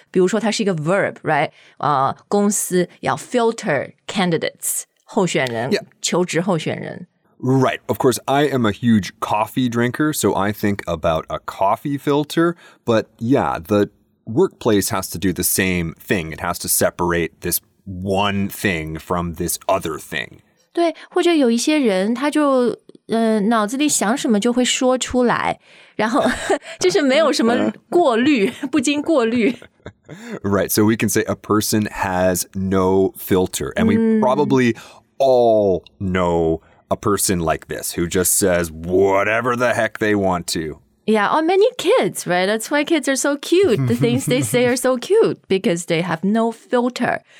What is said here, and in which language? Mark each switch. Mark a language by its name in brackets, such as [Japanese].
[Chinese] 比如说，它是一个 verb, right？ 公司要 filter candidates 候选人， [English] yeah. [Chinese] 求职候选人。 [English] Right. Of course, I am a huge coffee drinker, so I think about a coffee filter. But yeah, the workplace has to do the same thing. It has to separate this. One thing from this other thing. [Chinese] 对，或者有一些人他就脑子里想什么就会说出来，然后就是没有什么过滤，不经过滤。 [English] Right, so we can say a person has no filter, and we probably all know a person like this who just says whatever the heck they want to. Yeah, or many kids, right? That's why kids are so cute. The things they say are so cute because they have no filter.